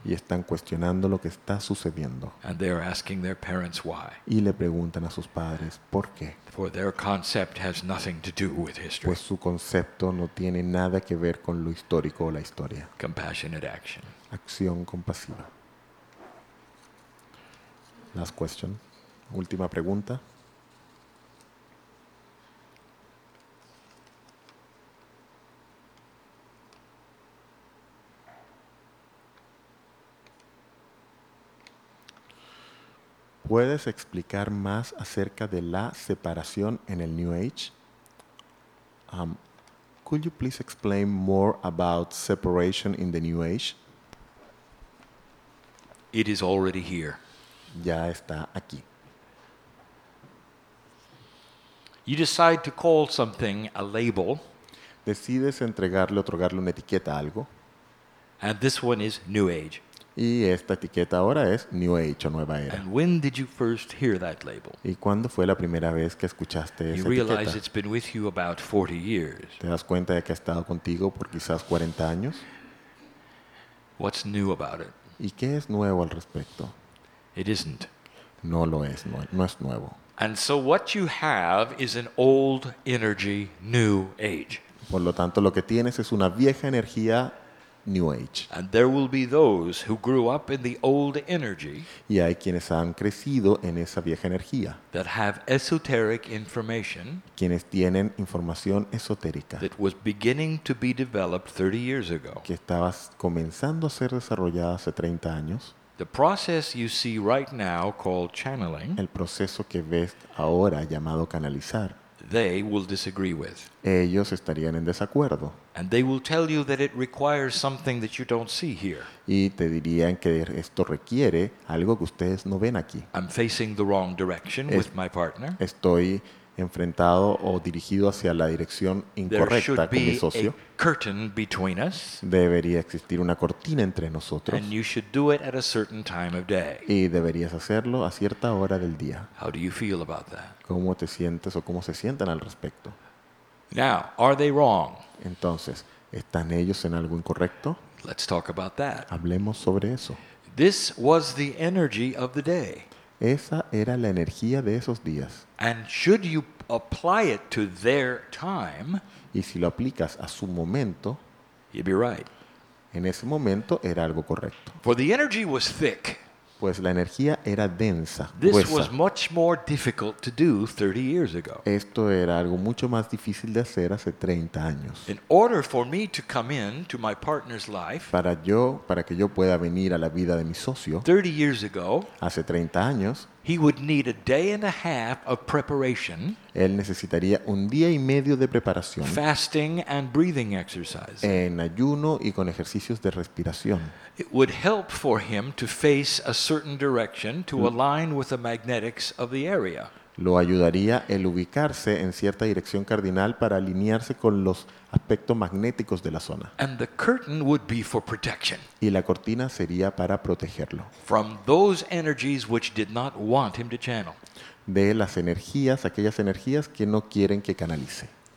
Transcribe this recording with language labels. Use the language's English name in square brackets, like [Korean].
[Spanish] Y están cuestionando lo que está sucediendo. [English] And they are asking their parents why. [Spanish] Y le preguntan a sus padres por qué. [English] For their concept has nothing to do with history. [Spanish] Pues su concepto no tiene nada que ver con lo histórico o la historia. [English] Compassionate action. [Spanish] Acción compasiva. [English] Last question. [Spanish] Última pregunta. ¿Puedes explicar más acerca de la separación en el New Age? [English] Could you please explain more about separation in the New Age? It is already here. [Spanish] Ya está aquí. [English] You decide to call something a label. [Spanish] Decides entregarle, otorgarle una etiqueta a algo. [English] And this one is New Age. [Spanish] Y esta etiqueta ahora es New Age o Nueva Era. [English] And when did you first hear that label? [Spanish] ¿Y cuándo fue la primera vez que escuchaste esa etiqueta? [English] You realize it's been with you about 40 years. [Spanish] ¿Te das cuenta de que ha estado contigo por quizás 40 años? [English] What's new about it? [Spanish] ¿Y qué es nuevo al respecto? [English] It isn't. [Spanish] No lo es, no es nuevo. [English] And so what you have is an old energy New Age. [Spanish] Por lo tanto, lo que tienes es una vieja energía New Age. [English] And there will be those who grew up in the old energy. [Spanish] Y hay quienes han crecido en esa vieja energía. [English] That have esoteric information. [Spanish] Quienes tienen información esotérica. [English] That was beginning to be developed 30 years ago. [Spanish] Que estaba comenzando a ser desarrollada hace 30 años. [English] The process you see right now called channeling. [Spanish] El proceso que ves ahora llamado canalizar. [English] They will disagree with. [Spanish] Ellos estarían en desacuerdo. [English] And they will tell you that it requires something that you don't see here. [Spanish] Y te dirían que esto requiere algo que ustedes no ven aquí. [English] I'm facing the wrong direction with my partner. [Spanish] Estoy enfrentado o dirigido hacia la dirección incorrecta con mi socio. [English] There should be a curtain between us. [Spanish] Debería existir una cortina entre nosotros. [English] And you should do it at a certain time of day. [Spanish] Y deberías hacerlo a cierta hora del día. [English] How do you feel about that? [Spanish] ¿Cómo te sientes o cómo se sienten al respecto? [English] Now, are they wrong? [Spanish] Entonces, ¿están ellos en algo incorrecto? [English] Let's talk about that. [Spanish] Hablemos sobre eso. [English] This was the energy of the day. [Spanish] Esa era la energía de esos días. [English] And should you apply it to their time, [Spanish] y si lo aplicas a su momento, [English] you'd be right. [Spanish] En ese momento era algo correcto. [English] For the energy was thick. [Spanish] Pues la energía era densa, [English] this [Spanish] gruesa. [English] Was much more difficult to do 30 years ago. [Spanish] Esto era algo mucho más difícil de hacer hace 30 años. [English] In order for me to come in to my partner's life, [Spanish] para que yo pueda venir a la vida de mi socio, [English] 30 years ago, [Spanish] hace 30 años, [English] he would need a day and a half of preparation. [Spanish] Él necesitaría un día y medio de preparación. [English] Fasting and breathing exercise. [Spanish] En ayuno y con ejercicios de respiración. [English] It would help for him to face a certain direction to align with the magnetics of the area. [Spanish] Lo ayudaría el ubicarse en cierta dirección cardinal para alinearse con los aspectos magnéticos de la zona. [English] And the curtain would be for protection. [Spanish] Y la cortina sería para protegerlo. [English] From those energies which did not want him to channel. [Spanish] De las energías, aquellas energías que no quieren que canalice.